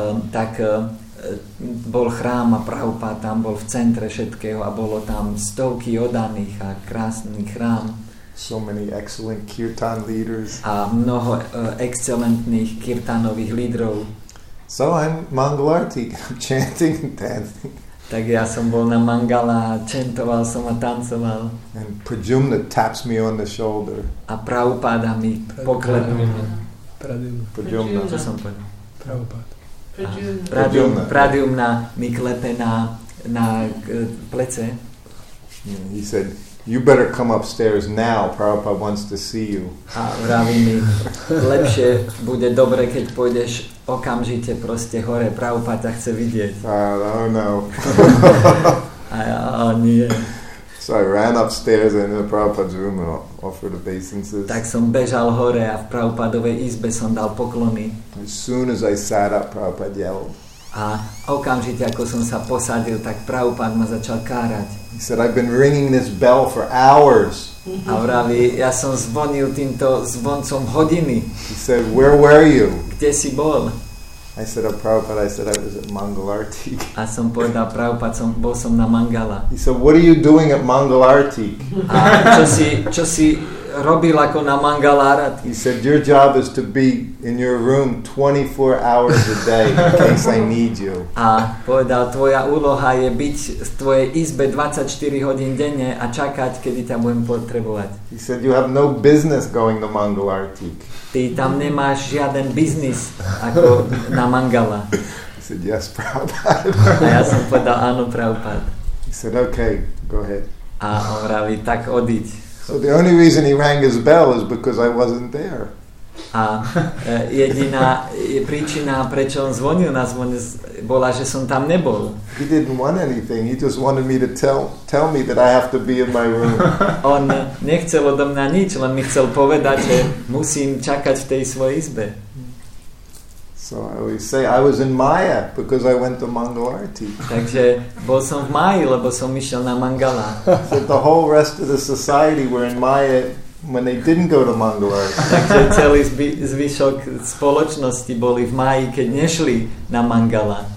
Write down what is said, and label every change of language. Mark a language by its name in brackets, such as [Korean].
[Slovak] Tak bol chrám a Prabhupada tam bol v centre všetkého a bolo tam stovky oddaných a krásny chrám. [English] So many excellent kirtan leaders. [Slovak] A mnoho excelentných kirtanových lídrov. [English] So I'm Mangalartik, I'm chanting and dancing. [Slovak] Tak ja som bol na Mangala, čentoval som a tancoval. [English] And Prajumna taps me on the shoulder. [Slovak] A Prabhupada mi poklepil. [English] Prajumna. [Slovak] Čo som povedal? Prabhupada. Pradyumna mi klepe na plece. [English] He said, you better come upstairs now, Prabhupada wants to see you. [Slovak] A vraví mi, lepšie bude dobre, keď pôjdeš okamžite proste hore, Prabhupada ťa chce vidieť. [English] Oh no. [Slovak] A ja, nie. [English] So I ran upstairs and in Prabhupada's room and offered obeisances. [Slovak] Tak som bežal hore a v Prabhupadovej izbe som dal poklony. [English] As soon as I sat up, Prabhupada yelled. [Slovak] A okamžite, ako som sa posadil, tak Prabhupada ma začal kárať. [English] He said, I've been ringing this bell for hours. [Slovak] A vraví, ja som zvonil týmto zvoncom hodiny. [English] He said, where were you? [Slovak] Kde si bol? [English] I said, oh, Prabhupada, I said, I was at Mangalartik. [Slovak] A som povedal, Prabhupada, bol som na Mangala. [English] He said, what are you doing at Mangalartik? [Slovak] A čo si robil ako na Mangalárati. [English] He said, your job is to be in your room 24 hours a day in case I need you. [Slovak] A povedal, tvoja úloha je byť v tvojej izbe 24 hodín denne a čakať, kedy ťa budem potrebovať. [English] He said, you have no business going to Mangalárati. [Slovak] Ty tam nemáš žiaden biznis ako na Mangala. [English] He said, yes, Prabhupada. [Slovak] A ja som povedal, áno, Prabhupada. [English] He said, okay, go ahead. [Slovak] A on vraví, tak odiť. [English] So the only reason he rang his bell is because I wasn't there. [Slovak] A jediná príčina, prečo on zvonil na zvon, bola, že som tam nebol. [English] He didn't want anything. He just wanted me to tell me that I have to be in my room. [Slovak] On nechcel odo mňa nič, len mi chcel povedať, že musím čakať v tej svojej izbe. [English] So I always say I was in Maya because I went to Mangalarti. [Slovak] Takže bol som v Maji, lebo som išiel na Mangala. [English] So the whole rest of the society were in Maya when they didn't go to Mangalarti. [Slovak] Takže celý zvyšok spoločnosti boli v Maji, keď nešli na Mangala.